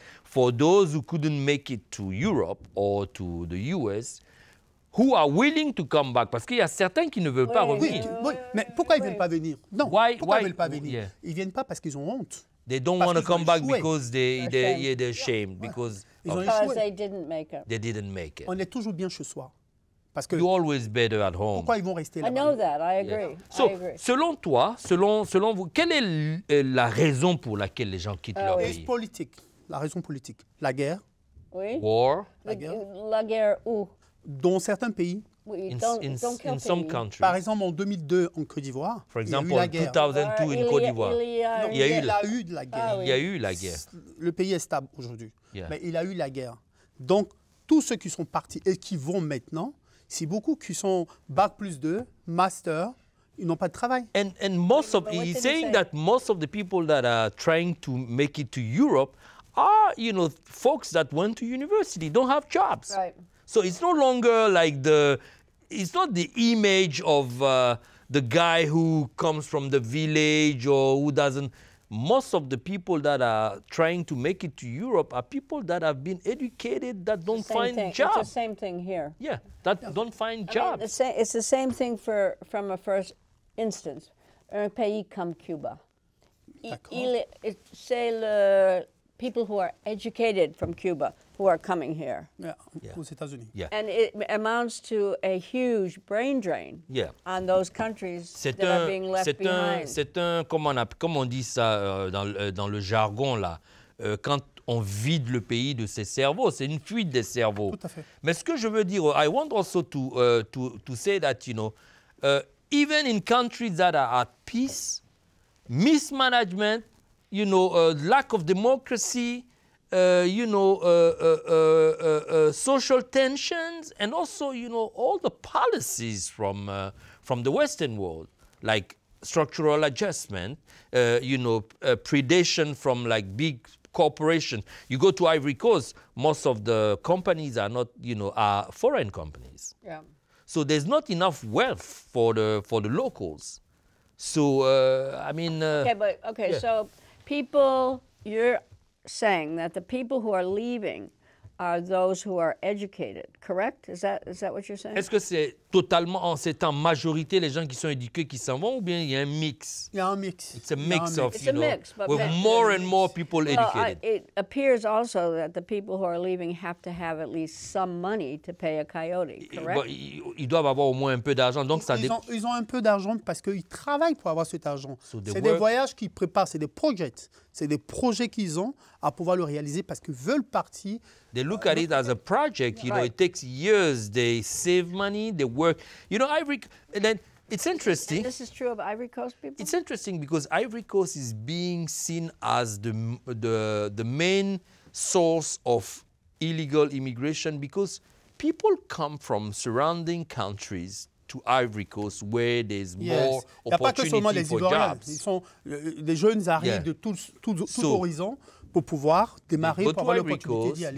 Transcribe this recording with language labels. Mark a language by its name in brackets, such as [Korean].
[English] For those who couldn't make it to Europe or to the US, who are willing to come back? [French] Parce qu'il y a certains qui ne veulent pas revenir. Oui, mais pourquoi ils ne veulent pas venir? Non, pourquoi ils ne veulent pas venir? [English] Yeah. [French] Ils ne viennent pas parce qu'ils ont honte. [English] They don't want to come back because they're ashamed. Yeah. Because [French] ils ont échoué. [English] They didn't make it. They didn't make it. [French] On est toujours bien chez soi. Parce que [English] you're always better at home. [French] Pourquoi ils vont rester là-bas? [English] I know that, I agree. Yeah. So, I agree. [French] Selon toi, selon vous, quelle est la raison pour laquelle les gens quittent leur pays? C'est politique, la raison politique. La guerre. Oui. [English] War. [French] La guerre où? Dans certains pays. Oui, dans [English] some countries. [French] Par exemple, en 2002, en Côte d'Ivoire, [English] for example, [French] il y a eu la guerre. 2002 in Côte d'Ivoire. Il y a eu la guerre. Il y a eu la guerre. Le pays est stable aujourd'hui. [English] Yeah. [French] Mais il a eu la guerre. Donc, tous ceux qui sont partis et qui vont maintenant, c'est beaucoup qui sont Bac plus 2, Master, ils n'ont pas de travail. [English] And most of, he's saying that most of the people that are trying to make it to Europe are, you know, folks that went to university, don't have jobs. Right. So it's no longer like it's not the image of the guy who comes from the village or who doesn't. Most of the people that are trying to make it to Europe are people that have been educated that don't find jobs. It's the same thing here. Yeah, that don't find jobs. It's the same thing from a first instance. [French] Un pays comme Cuba. C'est le [English] people who are educated from Cuba. Who are coming here? [French] Yeah, aux États-Unis. [English] Yeah. And it amounts to a huge brain drain. Yeah. On those countries are being left behind. [French] Comment on dit ça dans le jargon là, quand on vide le pays de ses cerveaux, c'est une fuite des cerveaux. Tout à fait. Mais ce que je veux dire, [English] I want also to say that you know, even in countries that are at peace, mismanagement, you know, lack of democracy. Social tensions and also, you know, all the policies from the Western world, like structural adjustment, predation from like big corporation. You go to Ivory Coast, most of the companies are not, you know, are foreign companies. Yeah. So there's not enough wealth for the locals. So I mean. Okay. So people, you're saying that the people who are leaving are those who are educated, correct? Is that what you're saying? [French] Est-ce que c'est totalement en cette en majorité les gens qui sont éduqués qui s'en vont ou bien il y a un mix? Il y a un mix. [English] It's a mix of, you know, with more and more people educated. It appears also that the people who are leaving have to have at least some money to pay a coyote, correct? [French] Ils doivent avoir au moins un peu d'argent, donc ça. Ils ont un peu d'argent parce qu'ils travaillent pour avoir cet argent. So c'est des voyages qu'ils préparent, c'est des projets. C'est des projets qu'ils ont à pouvoir le réaliser parce qu'ils veulent partir. [English] They look at it as a project. You know, it takes years. They save money. They work. You know, Ivory. And then it's interesting. And this is true of Ivory Coast people. It's interesting because Ivory Coast is being seen as the main source of illegal immigration because people come from surrounding countries to Ivory Coast, where there's more opportunities for jobs. [French] Ils sont des jeunes arrivent de tout horizon pour pouvoir démarrer, pour avoir l'opportunité d'y aller.